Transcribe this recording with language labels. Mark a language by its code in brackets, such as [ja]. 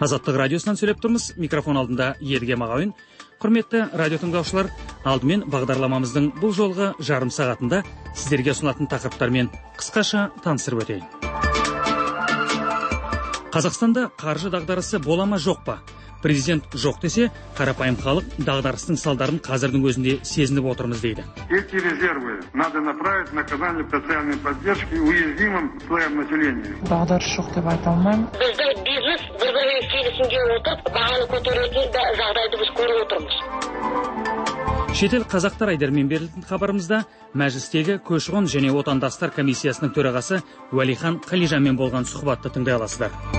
[kk] Азаттық радиосынан сөйлеп тұрмыз. Микрофон алдында Елге Мағауин. Құрметті радио тыңдаушылар, алдымен бағдарламамыздың бұл жолғы жарым сағатында сіздерге ұсынатын тақырыптармен қысқаша таныстырып өтейін. Қазақстанда қаржы дағдарысы бола ма жоқ па? Президент жоқ десе, қарапайым халық дағдарыстың салдарын қазірдің өзінде сезініп отырмыз дейді. [ru] Эти резервы надо направить на оказание социальной поддержки уязвимым слоям населения. [kk] Дағдарыс жоқ деп айта алмаймын. Біздің бизнес бір-бірімен келісімге отырып, бағаны көтеретін жағдайды біз көріп отырмыз. Шетел қазақтар айдармен берілген хабарымызда мәжілістегі көші-қон және отандастар комиссиясының төрағасы Уәлихан Қалижанмен болған сұхбатты тыңдай аласыздар.